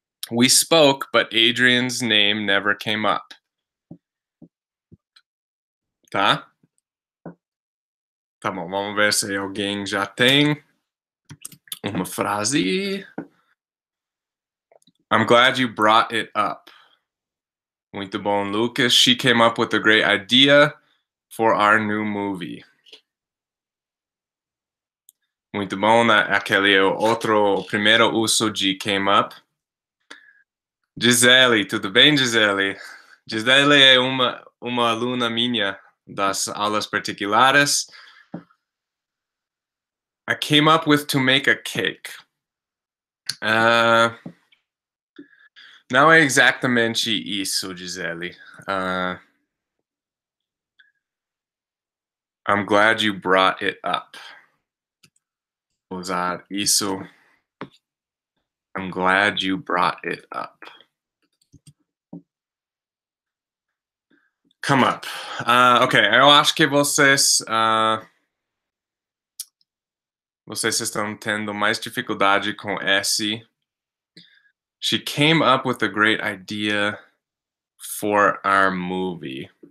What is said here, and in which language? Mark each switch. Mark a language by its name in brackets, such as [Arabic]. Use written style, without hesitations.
[English] We spoke, but Adrian's name never came up. [Portuguese] Tá? Tá bom, vamos ver se alguém já tem uma frase. [English] I'm glad you brought it up. [Portuguese] Muito bom, Lucas. [English] She came up with a great idea for our new movie. [Portuguese] Muito bom, né? Aquele é o primeiro uso de came up. Gisele, tudo bem, Gisele? Gisele é uma aluna minha das aulas particulares. [English] I came up with to make a cake. [Portuguese] Não é exatamente isso, Gisele. [English] I'm glad you brought it up. [Portuguese] Usar isso. [English] I'm glad you brought it up. Come up. [Portuguese] Ok, eu acho que vocês estão tendo mais dificuldade com esse. [English] She came up with a great idea for our movie.